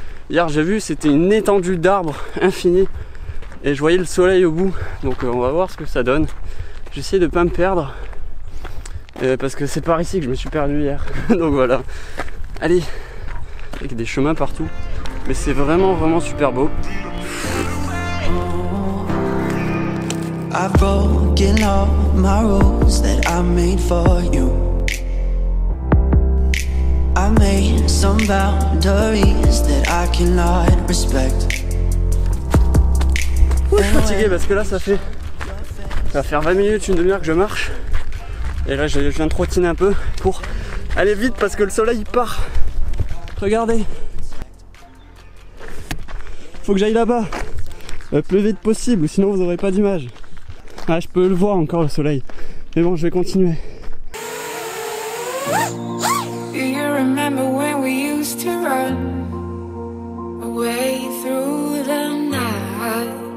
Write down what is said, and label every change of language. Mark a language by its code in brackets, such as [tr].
[fr] Hier j'ai vu, c'était une étendue d'arbres infinie et je voyais le soleil au bout, donc on va voir ce que ça donne. J'essaie de pas me perdre parce que c'est par ici que je me suis perdu hier. Donc voilà, allez, avec des chemins partout, mais c'est vraiment vraiment super beau. [en] I've broken all my rules that I made for you. I made some boundaries that I cannot respect. [fr] Je suis fatigué parce que là ça va faire 20 minutes, une demi-heure que je marche. Et là je viens de trottiner un peu pour aller vite parce que le soleil part. Regardez. Faut que j'aille là-bas le plus vite possible, sinon vous n'aurez pas d'image. Ah, je peux le voir encore le soleil. Mais bon, je vais continuer. [en] Do you remember when we used to run away through the night?